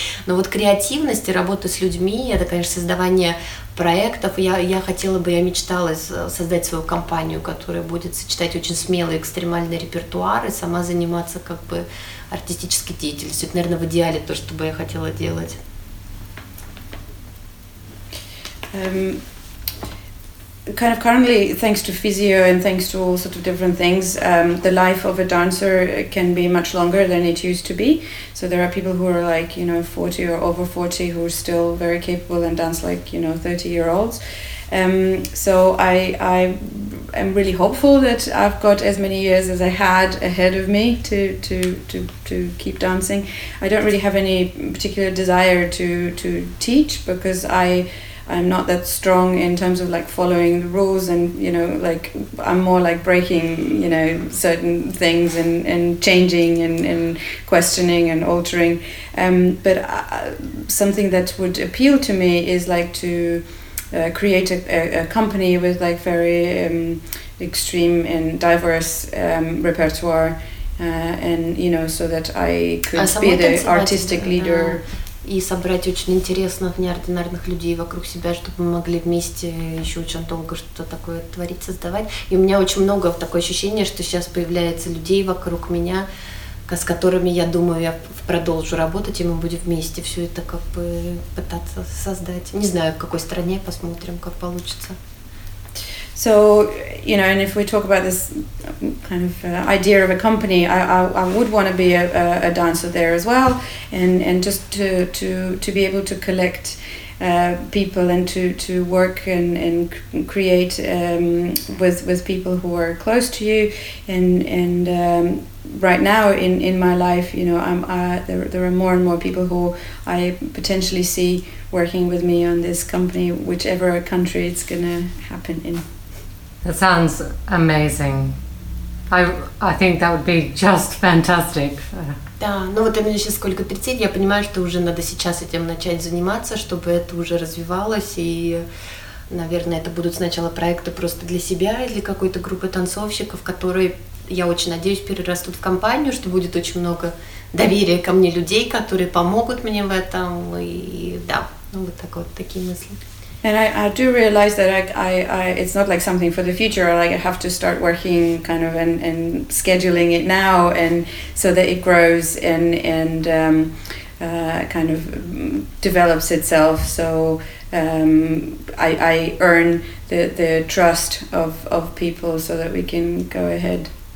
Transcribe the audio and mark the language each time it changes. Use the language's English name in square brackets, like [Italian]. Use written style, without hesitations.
[Russian] Но вот креативность и работа с людьми, это, конечно, создавание проектов. Я мечтала создать свою компанию, которая будет сочетать очень смелый экстремальный репертуар и сама заниматься как бы артистической деятельностью. Это, наверное, в идеале то, что бы я хотела делать. [English] Kind of currently, thanks to physio and thanks to all sorts of different things, the life of a dancer can be much longer than it used to be. So there are people who are like, you know, 40 or over 40 who are still very capable and dance like, you know, 30-year-olds. So I am really hopeful that I've got as many years as I had ahead of me to keep dancing. I don't really have any particular desire to teach, because I'm not that strong in terms of like following the rules, and, you know, like, I'm more like breaking, you know, certain things and changing and questioning and altering. But something that would appeal to me is like to create a company with like very extreme and diverse repertoire, and, you know, so that I could be the artistic leader. [Russian] И собрать очень интересных, неординарных людей вокруг себя, чтобы мы могли вместе еще очень долго что-то такое творить, создавать. И у меня очень много такое ощущение, что сейчас появляется людей вокруг меня, с которыми, я думаю, я продолжу работать, и мы будем вместе все это как бы пытаться создать. Не знаю, в какой стране, посмотрим, как получится. [English] So, you know, and if we talk about this kind of idea of a company, I would want to be a dancer there as well, and just to be able to collect people and to work and create with people who are close to you, and right now in my life, you know, there are more and more people who I potentially see working with me on this company, whichever country it's gonna happen in. That sounds amazing. I think that would be just fantastic. [Russian] Да, ну вот у меня сейчас сколько 30, я понимаю, что уже надо сейчас этим начать заниматься, чтобы это уже развивалось, и, наверное, это будут сначала проекты просто для себя и для какой-то группы танцовщиков, которые, я очень надеюсь, перерастут в компанию, что будет очень много доверия ко мне людей, которые помогут мне в этом, и да, ну вот так вот, такие мысли. [English] And I do realize that I it's not like something for the future, like I have to start working kind of and scheduling it now and so that it grows and kind of develops itself. So I earn the trust of people so that we can go ahead.